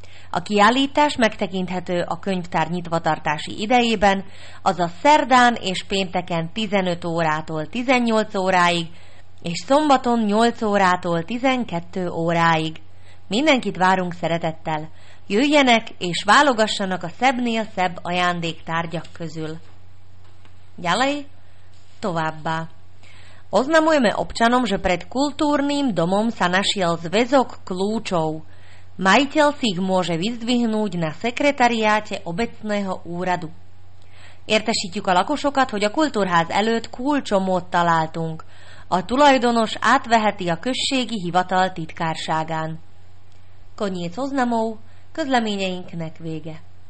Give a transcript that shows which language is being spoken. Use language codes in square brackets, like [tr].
[hu] A kiállítás megtekinthető a könyvtár nyitvatartási idejében, azaz szerdán és pénteken 15 órától 18 óráig, és szombaton 8 órától 12 óráig. Mindenkit várunk szeretettel. Jöjjenek és válogassanak a szebbnél szebb ajándéktárgyak közül. [sk] Ďalej, [hu] továbbá. [sk] Oznamujeme občanom, že pred kultúrnym domom sa našiel zväzok kľúčov. Majiteľ si ich môže vyzdvihnúť na sekretariáte obecného úradu. [hu] Értesítjük a lakosokat, hogy a kultúrház előtt kulcsomót találtunk. A tulajdonos átveheti a községi hivatal titkárságán. [sk] Koniec oznamov, [hu] közleményeinknek vége.